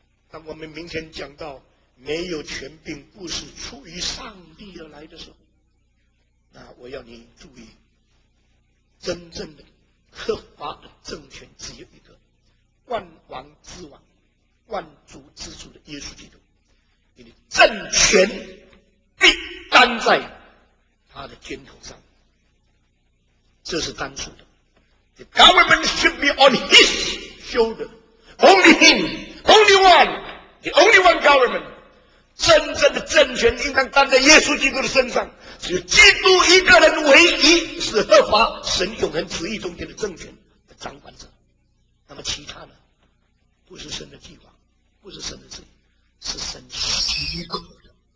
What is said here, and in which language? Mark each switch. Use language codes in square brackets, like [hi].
[zh] 那我们明天讲到没有权柄不是出于上帝而来的时候，那我要你注意，真正的合法的政权只有一个，万王之王、万主之主的耶稣基督。因为政权必担在他的肩头上，这是单数的。 [en] The government should be on his shoulder, only him, only one, the only one government. [zh] 真正的政权应当担在耶稣基督的身上，只有基督一个人唯一是合法神永恒旨意中间的政权的掌管者。那么其他的不是神的计划，不是神的旨意，是神许可的。